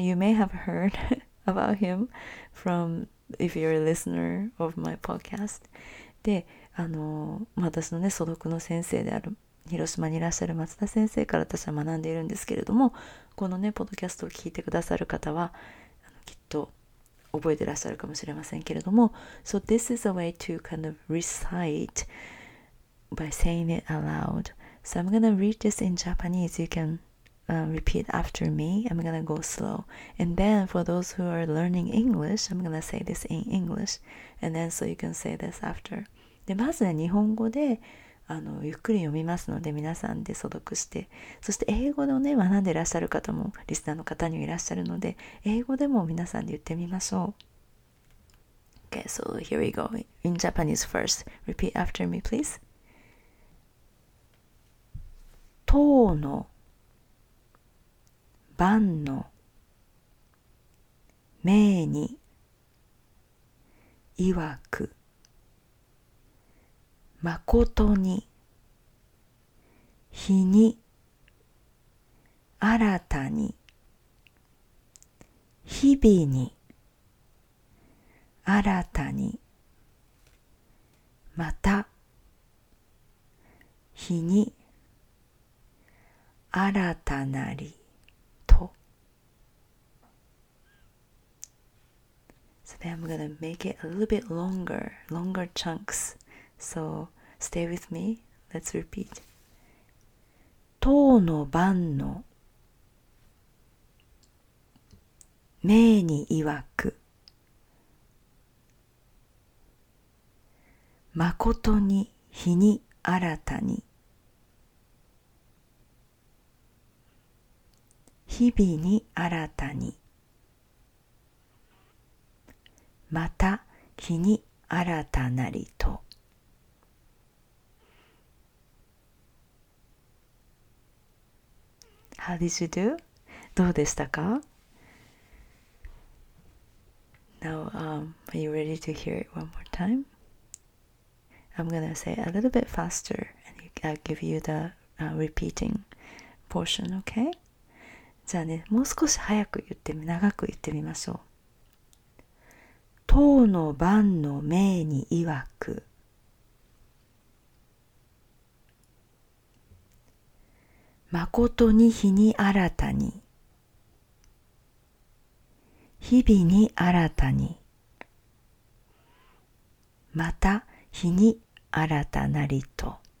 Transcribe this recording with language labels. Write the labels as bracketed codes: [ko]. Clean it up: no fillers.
[en] You may have heard about him from if you're a listener of my podcast. [ja] で、私のね、素読の先生である広島にいらっしゃる松田先生から私は学んでいるんですけれども、このね、ポッドキャストを聞いてくださる方はきっと覚えてらっしゃるかもしれませんけれども、 [en] So this is a way to kind of recite by saying it aloud. So I'm gonna read this in Japanese. You can、repeat after me. I'm gonna go slow. And then for those who are learning English, I'm gonna say this in English. And then so you can say this after. [ja] で、まずね、日本語でゆっくり読みますので皆さんで素読して、そして英語でね学んでいらっしゃる方もリスナーの方にいらっしゃるので英語でも皆さんで言ってみましょう。 [en] Okay, so here we go. In Japanese first. Repeat after me, please. [ja] 当の晩の命にいわく誠に日に新たに日々に新たにまた日に新たなりと。 [en] So then I'm gonna make it a little bit longer chunks. So stay with me. Let's repeat. [ja] 当の晩の命にいわく誠に日に新たに日々に新たにまた日に新たなりと。 [en] How did you do? [ja] どうでしたか? [en] Now, are you ready to hear it one more time? I'm gonna say a little bit faster and I'll give you the repeating portion, okay? [ja] じゃあね、もう少し早く言って、長く言ってみましょう。当の晩の命にいわく誠に日に新たに日々に新たにまた日に新たなりと。